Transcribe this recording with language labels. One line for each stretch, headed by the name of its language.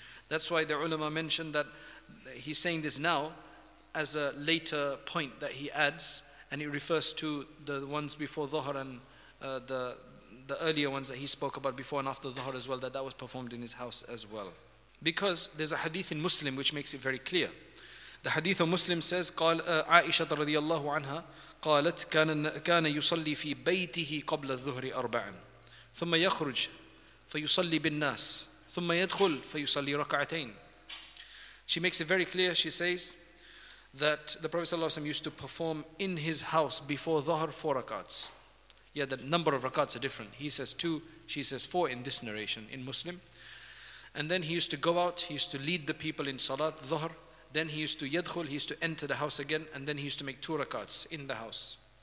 English: That's why the ulama mentioned that he's saying this now as a later point that he adds, and it refers to the ones before Dhuhr and the earlier ones that he spoke about before and after Dhuhr as well, that was performed in his house as well. Because there's a hadith in Muslim which makes it very clear. The hadith of Muslim says, Aisha radiallahu anha,
Arabic: قالت كان يصلي في بيته قبل الظهر أربعا ثم يخرج فيصلي بالناس ثم يدخل فيصلي ركعتين.
English: She makes it very clear. She says that the Prophet sallallahu alaihi wasallam used to perform in his house before Dhuhr four rakats. Yeah, the number of rakats are different. He says two, she says four in this narration in Muslim. And then he used to go out, he used to lead the people in salat, Dhuhr. Then he used to yadkhul, he used to enter the house again, and then he used to make two rakats in the house.